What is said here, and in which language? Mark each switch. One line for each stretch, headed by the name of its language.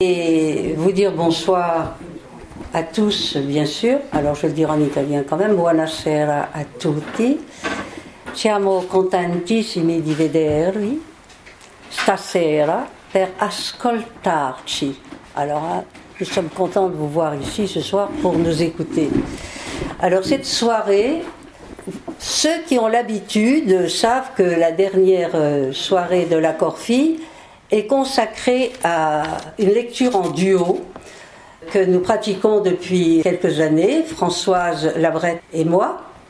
French: Et vous dire bonsoir à tous, bien sûr. Alors je vais le dire en italien quand même.
Italian: Buonasera a tutti. Siamo contentissimi di vedervi stasera per ascoltarci.
French: Alors nous sommes contents de vous voir ici ce soir pour nous écouter. Alors cette soirée, ceux qui ont l'habitude savent que la dernière soirée de la Corfi est consacré à une lecture en duo que nous pratiquons depuis quelques années, Françoise Labrette et moi.